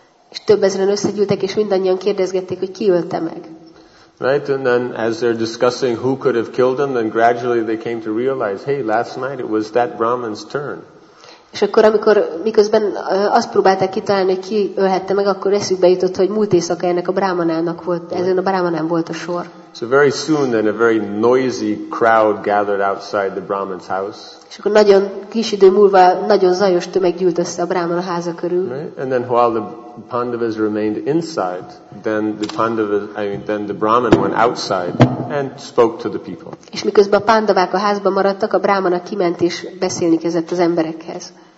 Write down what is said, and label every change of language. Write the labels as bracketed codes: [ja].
[hu] És több ezeren összegyűltek és mindannyian kérdezgették, hogy ki ölte meg. [en] Right, and then as they're discussing who could have killed him, then gradually they came to realize, hey, last night it was that Brahman's turn. [hu] És akkor, amikor miközben azt próbálták kitalálni, hogy ki ölhette meg, akkor eszükbe jutott, hogy múlt éjszaka ennek a brahmanának volt, ezen a brahmanán volt a sor. [en] So very soon then a very noisy crowd gathered outside the Brahman's house. [hu] És akkor nagyon kis idő múlva nagyon zajos tömeg gyűlt össze a Brahman a háza körül. [en] Right? And then while the Pandavas remained inside, then the Brahman went outside and spoke to the people. [hu] És miközben a Pandavák a házba maradtak, a Brahman kiment és beszélni kezdett az emberekhez.